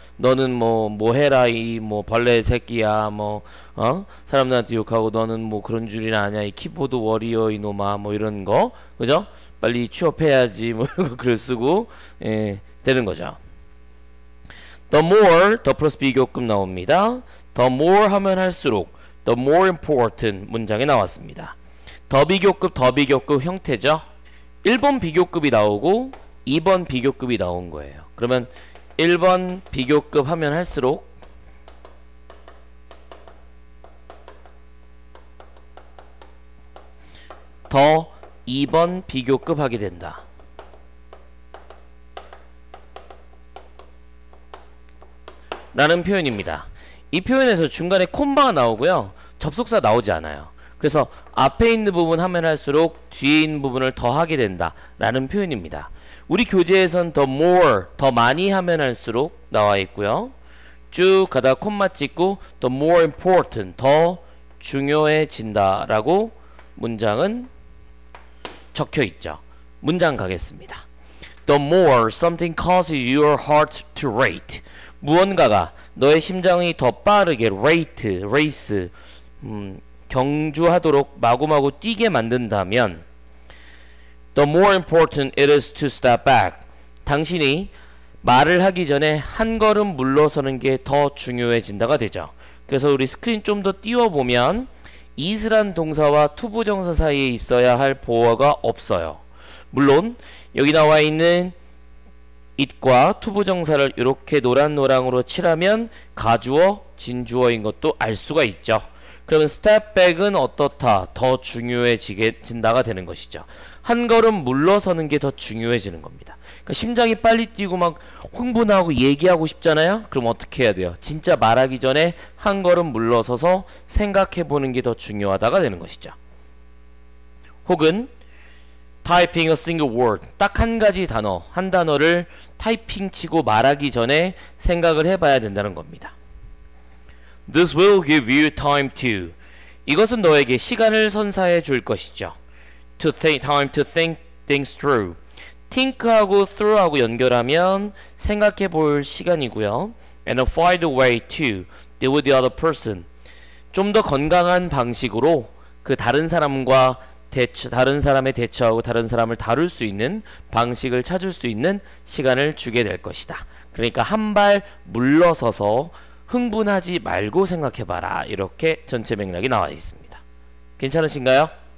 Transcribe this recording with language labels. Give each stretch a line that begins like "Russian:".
Korean: 너는 뭐 해라 이 뭐 벌레 새끼야 뭐 사람들한테 욕하고 너는 뭐 그런 줄이나 아냐 이 키보드 워리어 이놈아 뭐 이런 거 그죠? 빨리 취업해야지 뭐 이런 거 글을 쓰고 예 되는 거죠. The more, 더 플러스 비교급 나옵니다.
English: The more
Korean: 하면 할수록
English: the more important 문장에 나왔습니다.
Korean: 더 비교급 형태죠. 1번 비교급이 나오고 2번 비교급이 나온 거예요. 그러면 1번 비교급 하면 할수록 더 2번 비교급 하게 된다. 라는 표현입니다. 이 표현에서 중간에 콤마가 나오고요. 접속사 나오지 않아요. 그래서 앞에 있는 부분 하면 할수록 뒤에 있는 부분을 더하게 된다 라는 표현입니다. 우리 교재에선 the more 더 많이 하면 할수록 나와있고요. 쭉 가다 콤마 찍고
English: the more important
Korean: 더 중요해진다 라고 문장은 적혀있죠. 문장 가겠습니다.
English: The more something causes your heart to rate.
Korean: 무언가가 너의 심장이 더 빠르게 rate, race 경주하도록 마구마구 뛰게 만든다면
English: The more important it is to step back.
Korean: 당신이 말을 하기 전에 한 걸음 물러서는 게 더 중요해진다가 되죠. 그래서 우리 스크린 좀 더 띄워보면 is란 동사와 to 부정사 사이에 있어야 할 보어가 없어요. 물론 여기 나와 있는 it과 to 부정사를 이렇게 노란노랑으로 칠하면 가주어, 진주어인 것도 알 수가 있죠. 그러면 step back은 어떻다? 더 중요해진다가 되는 것이죠. 한 걸음 물러서는 게 더 중요해지는 겁니다. 그러니까 심장이 빨리 뛰고 막 흥분하고 얘기하고 싶잖아요? 그럼 어떻게 해야 돼요? 진짜 말하기 전에 한 걸음 물러서서 생각해보는 게 더 중요하다가 되는 것이죠. 혹은
English: typing a single word,
Korean: 딱 한 가지 단어, 한 단어를 타이핑치고 말하기 전에 생각을 해봐야 된다는 겁니다.
English: This will give you time to.
Korean: 이것은 너에게 시간을 선사해 줄 것이죠.
English: To think, time to think things through.
Korean: Think하고 through하고 연결하면 생각해 볼 시간이고요.
English: And a find a way to deal with the other person.
Korean: 좀 더 건강한 방식으로 그 다른 사람과 다른 사람에 대처하고 다른 사람을 다룰 수 있는 방식을 찾을 수 있는 시간을 주게 될 것이다. 그러니까 한 발 물러서서 흥분하지 말고 생각해봐라. 이렇게 전체 맥락이 나와 있습니다. 괜찮으신가요?